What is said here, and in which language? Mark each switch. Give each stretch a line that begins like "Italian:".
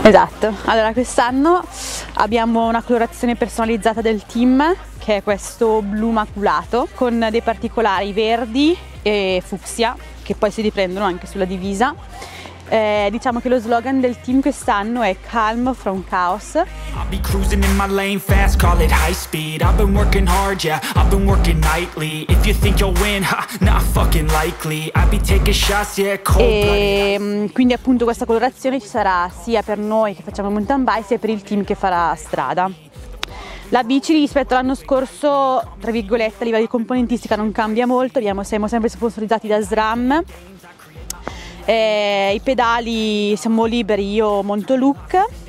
Italian: Esatto, allora quest'anno abbiamo una colorazione personalizzata del team, che è questo blu maculato con dei particolari verdi e fucsia che poi si riprendono anche sulla divisa. Diciamo che lo slogan del team quest'anno è Calm from Chaos.
English: I'll be cruising in my lane fast, call it high speed. I've been working hard, yeah, I've been working nightly. If you think you'll win, ha, not fucking likely. I'll be taking shots, yeah, cold blooded.
Italian: Quindi appunto questa colorazione ci sarà sia per noi che facciamo mountain bike, sia per il team che farà strada. La bici rispetto all'anno scorso, tra virgolette, a livello di componentistica non cambia molto. Siamo sempre sponsorizzati da SRAM. I pedali siamo liberi, io monto look.